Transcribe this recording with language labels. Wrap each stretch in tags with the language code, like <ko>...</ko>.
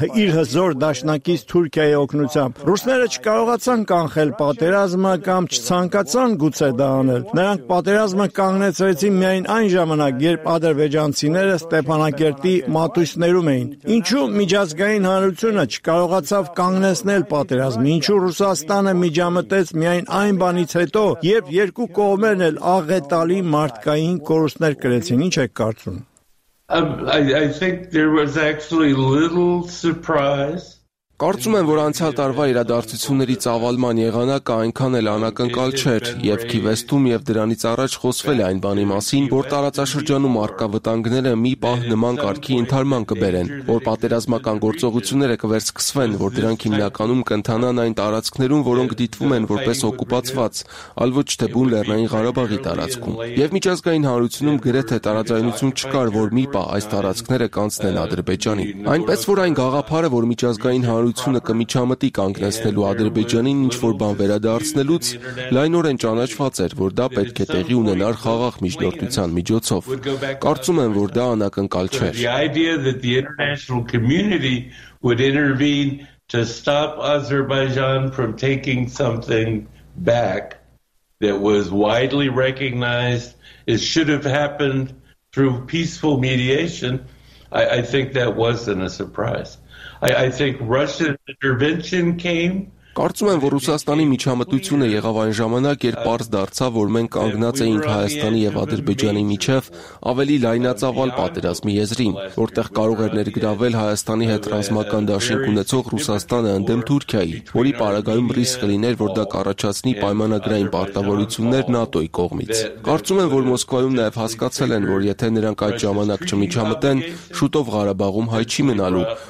<hy>իր հզոր դաշնակից Թուրքիայի օգնությամբ։ Ռուսները չկարողացան կանխել պատերազմը կամ չցանկացան գուցե դա անել։ Նրանք պատերազմը կանգնեցրեցին միայն այն ժամանակ, երբ ադրբեջանցիները Ստեփանակերտի մատույցներում էին։ Ինչու միջազգային հանրությունը չկարողացավ կանգնեցնել պատերազմը, ինչու Ռուսաստանը միջամտեց միայն այն բանից հետո, երբ երկու կողմերն էլ աղետալի մարդկային կորուստներ կրեցին, ինչ եք կարծում։</hy> <en>I think there was actually little surprise.</en> <hy>Կարծում եմ, որ անցյալ տարվա իրադարձությունների ծավալման եղանակը այնքան էլ անակնկալ չէր, եւ Key West-ում եւ դրանից առաջ խոսվել է այն բանի մասին, որ տարածաշրջանում առկա վտանգները մի պահ նման կարգի ընդհարման կբերեն, որ պատերազմական գործողությունները կվերսկսվեն, որ դրանք հիմնականում կընթանան այն տարածքներում, որոնք դիտվում են որպես օկուպացված, այլ ոչ թե բուն Լեռնային Ղարաբաղի տարածքում։ Եվ միջազգային հանրությունում գրեթե տարաձայնություն չկար, որ մի պահ այս տարածքները կանցնեն Ադրբեջանի։ Այնպես որ այն գաղափարը, որ միջազգային հարությունը կմիջամտի կանգնեցնելու Ադրբեջանին ինչ որ բան վերադարձնելուց, լայնորեն ճանաչված էր, որ դա պետք է տեղի ունենար խաղաղ միջնորդության միջոցով։ Կարծում եմ, որ դա անակնկալ չէ։</hy> <en>The idea that the international community would intervene to stop Azerbaijan from taking something back that was widely recognized, it should have happened through peaceful mediation. I think that wasn't a surprise. I think Russian intervention came.</en> <hy>Կարծում եմ, որ Ռուսաստանի միջամտությունը եղավ այն ժամանակ, երբ պարզ դարձավ, որ մենք կանգնած էինք Հայաստանի եւ Ադրբեջանի միջև ավելի լայնածավալ պատերազմի եզրին, որտեղ կարող էր ներգրավել Հայաստանի հետ ռազմական դաշինք ունեցող Ռուսաստանը ընդդեմ Թուրքիայի, որի պարագայում ռիսկ կլիներ, որ դա կառաջացնի պայմանագրային պարտավորություններ ՆԱՏՕ-ի կողմից։ Կարծում եմ, որ Մոսկվայում նաեւ հասկացել են, որ եթե նրանք այդ ժամանակ չմիջամտեն, շուտով Ղարաբաղում հայ չի մնալու,</hy>